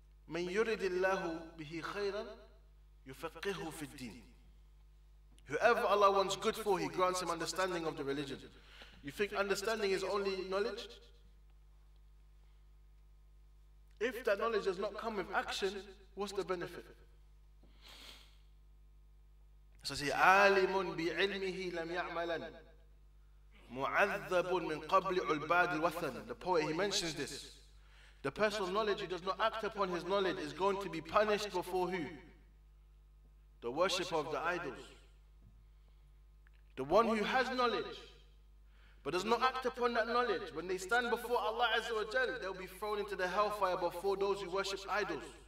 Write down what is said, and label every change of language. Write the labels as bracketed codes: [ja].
[ar] مَنْ يُرِدِ اللَّهُ بِهِ خَيْرًا يُفَقِّهُ فِي الدِّينِ. [en] Whoever Allah wants good for, He grants him understanding of the religion. You think understanding is only knowledge? If that knowledge does not come with action, what's the benefit? So say, [ar] عَالِمٌ بِعِلْمِهِ لَمْ يَعْمَلًا مُعَذَّبٌ مِنْ قَبْلِ عُلْبَادِ الْوَثَنِ. [en] The poet, he mentions this. The person of knowledge who does not act upon his knowledge is going to be punished before who? The worship of the idols. The one who has knowledge, but does not act upon that knowledge, when they stand before Allah Azza wa Jal, they'll be thrown into the hellfire before those who worship idols.